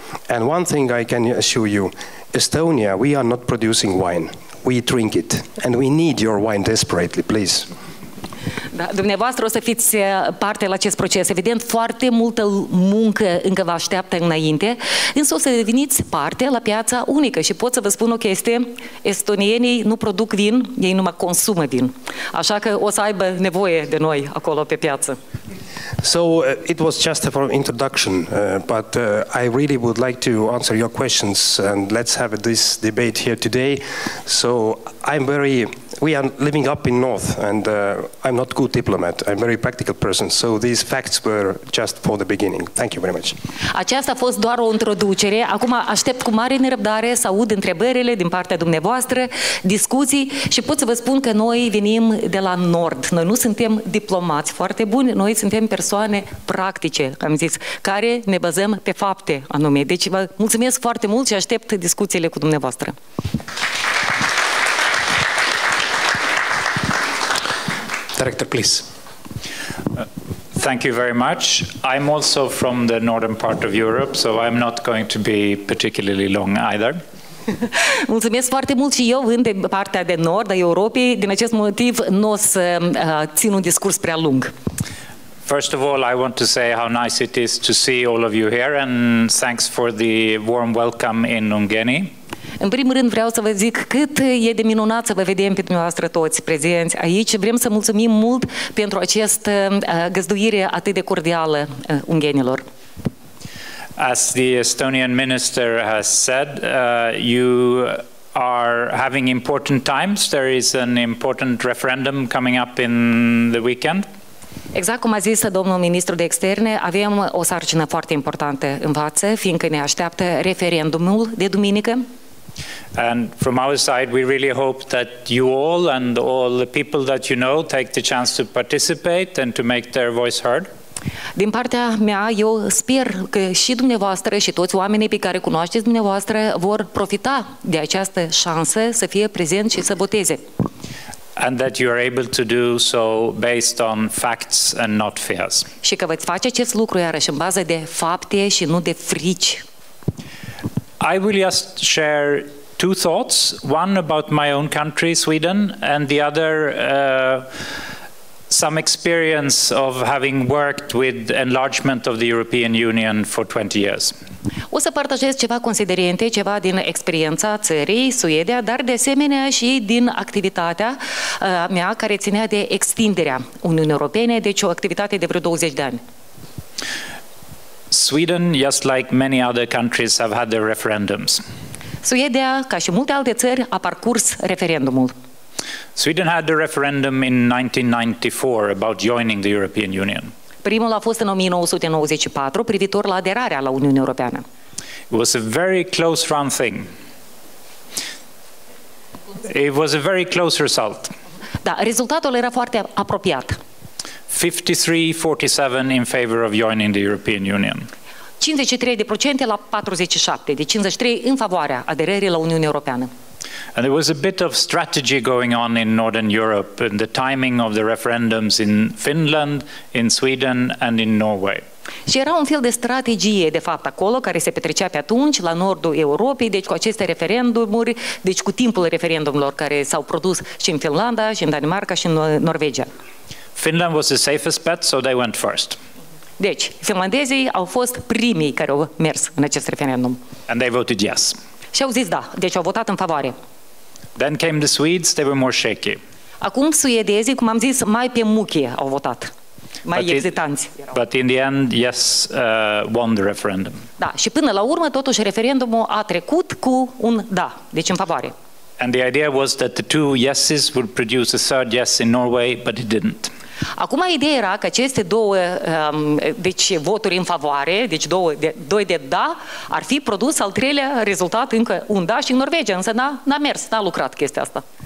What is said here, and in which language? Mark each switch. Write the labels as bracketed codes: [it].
[en] And one thing I can assure you, Estonia, we are not producing wine. We drink it. And we need your wine desperately, please. [ro] Da, dumneavoastră o să fiți parte la acest proces. Evident, foarte multă muncă încă vă așteaptă înainte, însă o să deveniți parte la piața unică. Și pot să vă spun o chestie, estonienii nu produc vin, ei numai consumă vin. Așa că o să aibă nevoie de noi acolo pe piață. [en] So it was just for an introduction, but I really would like to answer your questions and let's have this debate here today. So I'm very, we are living up in north and I'm not good diplomat, I'm a very practical person. So these facts were just for the beginning. Thank you very much. [ro] Aceasta a fost doar o introducere. Acum aștept cu mare nerăbdare să aud întrebările din partea dumneavoastră, discuții și pot să vă spun că noi venim de la nord. Noi nu suntem diplomați foarte buni, noi suntem persoane practice, am zis, care ne bazăm pe fapte anume. Deci vă mulțumesc foarte mult și aștept discuțiile cu dumneavoastră. [en] Director, please. Thank you very much. I'm also from the northern part of Europe, so I'm not going to be particularly long either. [ro] Mulțumesc foarte mult și eu vin de partea de nord a Europei. Din acest motiv, n-o să țin un discurs prea lung. [en] First of all, I want to say how nice it is to see all of you here and thanks for the warm welcome in Ungheni. [ro] În primul rând vreau să vă zic cât e de minunat să vă vedem pe dumneavoastră toți prezenți aici. Vrem să mulțumim mult pentru această găzduire atât de cordială ungenilor. [en] As the Estonian minister has said, you are having important times. There is an important referendum coming up in the weekend. [ro] Exact cum a zis domnul ministru de externe, avem o sarcină foarte importantă în față, fiindcă ne așteaptă referendumul de duminică. [en] And from our side, we really hope that you all and all the people that you know take the chance to participate and to make their voice heard. [ro] Din partea mea, eu sper că și dumneavoastră și toți oamenii pe care cunoașteți dumneavoastră vor profita de această șansă să fie prezenți și să voteze. [en] And that you are able to do so based on facts and not fears. [ro] Și că veți face acest lucru iarăși în bază de fapte și nu de frici. [en] I will just share two thoughts, one about my own country, Sweden, and the other some experience of having worked with enlargement of the European Union for 20 years. [ro] O să partajez ceva considerente, ceva din experiența țării, Suedia, dar de asemenea și din activitatea mea care ținea de extinderea Uniunii Europene, deci o activitate de vreo 20 de ani. [en] Sweden, just like many other countries, have had their referendums. [ro] Suedia, ca și multe alte țări, a parcurs referendumul. [en] Sweden had a referendum in 1994 about joining the European Union. [ro] Primul a fost în 1994, privitor la aderarea la Uniunea Europeană. [en] It was a very close run thing. It was a very close result. [ro] Da, rezultatul era foarte apropiat. [en] 53-47 in favor of joining the European Union. [ro] 53% la 47, de 53 în favoarea aderării la Uniunea Europeană. [en] And there was a bit of strategy going on in Northern Europe in the timing of the referendums in Finland, in Sweden and in Norway. [ro] Și era un fel de strategie de fapt acolo care se petrecea pe atunci la nordul Europei, deci cu aceste referendumuri, deci cu timpul referendumurilor care s-au produs și în Finlanda, și în Danemarca și în Norvegia. [en] Finland was the safest bet, so they went first. [ro] Deci, finlandezii au fost primii care au mers în acest referendum. [en] And they voted yes. [ro] Și au zis da, deci au votat în favoare. [en] Then came the Swedes, they were more shaky. [ro] Acum suedezii, cum am zis, mai pe muchie au votat. Mai ezitanți. [en] But in the end, yes, won the referendum. [ro] Da, și până la urmă, totuși, referendumul a trecut cu un da, deci în favoare. [en] And the idea was that the two yeses would produce a third yes in Norway, but it didn't. [ro] Acum ideea era că aceste două deci voturi în favoare, deci doi de da, ar fi produs al treilea rezultat, încă un da și în Norvegia, însă n-a mers, n-a lucrat chestia asta.